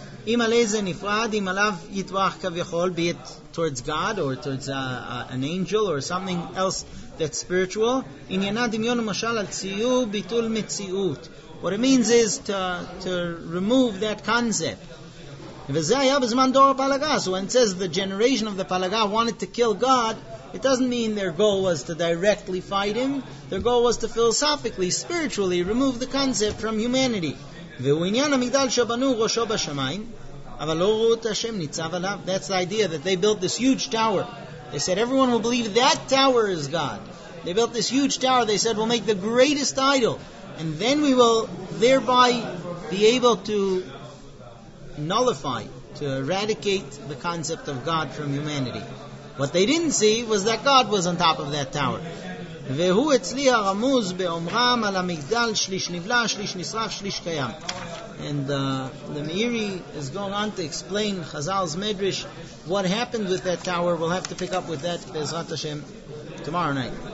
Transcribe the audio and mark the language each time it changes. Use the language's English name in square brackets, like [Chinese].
[Hebrew] אם על איזה נפרד, אם עליו יתווח כביכול, [English] be it towards God or towards an angel or something else that's spiritual, [Hebrew] עניינה דמיון ומשל על ציור ביטול מציאות. [English] What it means is to remove that concept. [Hebrew] וזה היה בזמן דור הפלגה. [English] So when it says the generation of the פלגה wanted to kill God, it doesn't mean their goal was to directly fight him. Their goal was to philosophically, spiritually, remove the concept from humanity. [Hebrew] והוא עניין המגדל שבנו ראשו בשמיים, אבל לא ראו את השם ניצב עליו. [English] That's the idea that they built this huge tower. They said everyone will believe that tower is God. They built this huge tower. They said we'll make the greatest idol. And then we will thereby be able to nullify, to eradicate the concept of God from humanity. What they didn't see was that God was on top of that tower. [Hebrew] והוא אצלי הרמוז באומרם על המגדל שליש נבלע, שליש נשרף, שליש קיים. [English] And the Meiri is going on to explain Chazal's Medrash, what happened with that tower. We'll have to pick up with that, Bezrat Hashem, tomorrow night.